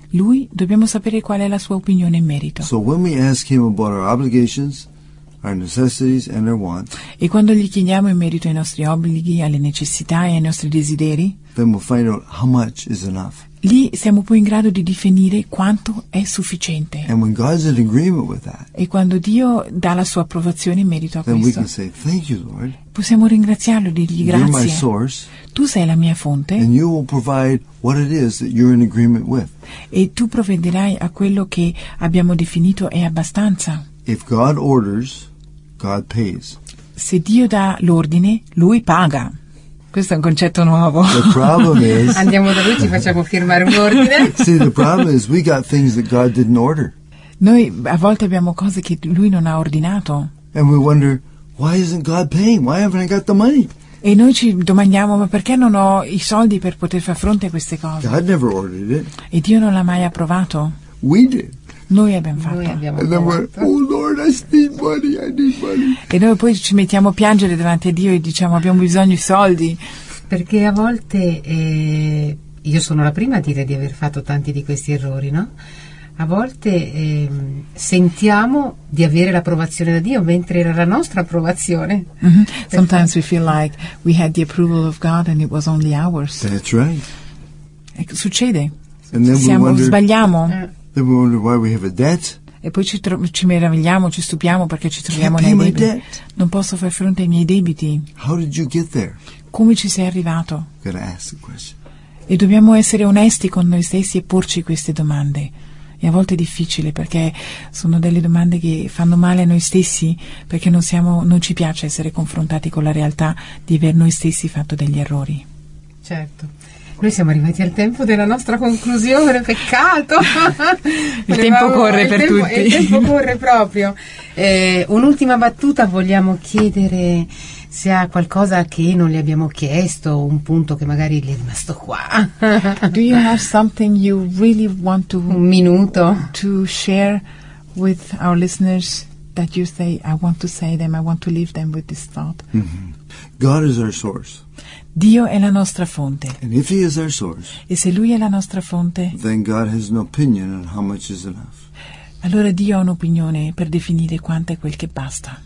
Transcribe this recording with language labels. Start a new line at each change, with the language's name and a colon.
Italian: Lui, dobbiamo sapere qual è la sua opinione in merito.
English: So when we ask him about our obligations, our necessities and our wants.
Italian: E quando gli chiediamo in merito ai nostri obblighi, alle necessità e ai nostri desideri.
English: Then we'll find out how much is enough.
Italian: Lì siamo poi in grado di definire quanto è sufficiente.
English: And when God is in agreement with that,
Italian: e quando Dio dà la sua approvazione in merito a
English: then
Italian: questo,
English: we can say, thank you, Lord.
Italian: Possiamo ringraziarlo, dirgli grazie.
English: You're my source,
Italian: tu sei la mia fonte.
English: And you will provide what it is that you're in agreement with.
Italian: E tu provvederai a quello che abbiamo definito è abbastanza.
English: If God orders, God pays.
Italian: Se Dio dà l'ordine, Lui paga. Questo è un concetto nuovo.
English: The problem is,
Italian: andiamo da lui e facciamo firmare un ordine.
English: See, the problem is we got things that God didn't order.
Italian: Noi a volte abbiamo cose che lui non ha ordinato.
English: And we wonder, why isn't God paying? Why haven't I got the money?
Italian: E noi ci domandiamo, ma perché non ho i soldi per poter far fronte a queste cose?
English: God never ordered it.
Italian: E Dio non l'ha mai approvato.
English: We did.
Italian: Noi abbiamo fatto. Noi abbiamo
English: and
Italian: fatto.
English: Oh Lord, I need money, I need money.
Italian: E noi poi ci mettiamo a piangere davanti a Dio e diciamo abbiamo bisogno di soldi. Perché a volte, io sono la prima a dire di aver fatto tanti di questi errori, no? A volte sentiamo di avere l'approvazione da Dio, mentre era la nostra approvazione.
English: Sometimes we feel like we had the approval of God and it was only ours. That's right.
Italian: Succede. Sbagliamo.
English: Then we wonder why we have a debt.
Italian: E poi ci meravigliamo, ci stupiamo perché ci troviamo nei debiti. Non posso far fronte ai miei debiti.
English: How did you get there?
Italian: Come ci sei arrivato?
English: Gotta ask the question.
Italian: E dobbiamo essere onesti con noi stessi e porci queste domande. E a volte è difficile perché sono delle domande che fanno male a noi stessi perché non ci piace essere confrontati con la realtà di aver noi stessi fatto degli errori. Certo. Noi siamo arrivati al tempo della nostra conclusione, peccato! Il tempo corre per tutti. Il tempo corre proprio. Un'ultima battuta, vogliamo chiedere se ha qualcosa che non le abbiamo chiesto, un punto che magari gli è rimasto qua.
English: Do you have something you really want to...
Italian: Un minuto.
English: ...to share with our listeners that you say, I want to say them, I want to leave them with this thought? Mm-hmm. God is our source.
Italian: Dio è la nostra fonte.
English: And if he is our source,
Italian: e se Lui è la nostra fonte,
English: then God has an opinion on how much is enough.
Italian: Allora Dio ha un'opinione per definire quanto è quel che basta.